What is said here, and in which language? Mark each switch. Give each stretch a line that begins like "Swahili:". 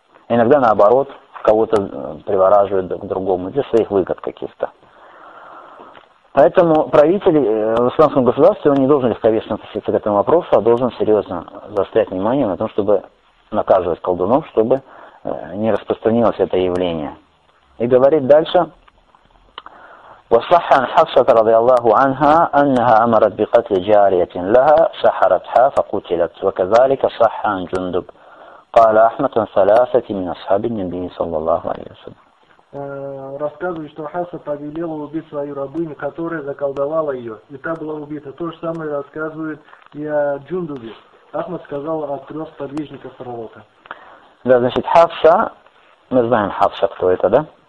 Russian: Иногда наоборот, кого-то привораживают к другому, для своих выгод каких-то. Поэтому правитель в исламском государстве, он не должен легковесно относиться к этому вопросу, а должен серьезно заострять внимание на том, чтобы наказывать колдунов, чтобы не распространилось это явление. И говорит дальше...
Arabic: وصح عن حفصة رضي الله عنها أنها أمرت بقتل جارية لها سحرتها فقتلت وكذلك صح عن جندب قال أحمد ثلاثة من أصحاب النبي صلى الله عليه وسلم.
Russian: Рассказывает, что Хасса повелела убить свою рабыню, которая заколдовала ее, и та была убита. То же самое рассказывает и о Джундубе. Ахмад сказал о трех подвижниках пророка. Да, значит, Хафса, мы знаем Хафса, кто это, да?